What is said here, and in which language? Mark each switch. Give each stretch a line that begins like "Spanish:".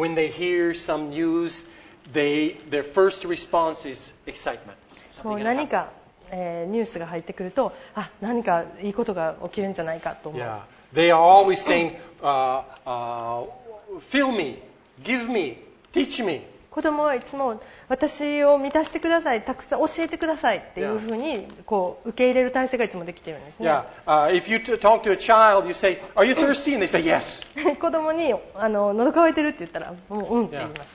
English: When they hear some news, their first response is excitement.
Japanese: もう何か、ニュースが入ってくると、あ、何かいいことが起きるんじゃないかと思う。
English: Yeah. They are always saying, fill me, give me, teach me.
Japanese: 子供はいつも私を満たしてください、たくさん教えてくださいっていうふうにこう受け入れる体制がいつもできているんですね。
English: Yeah. If you talk to a child, you say, are you thirsty? And they say, yes.
Japanese: 子供に喉渇いてるって言ったら、うんって言います。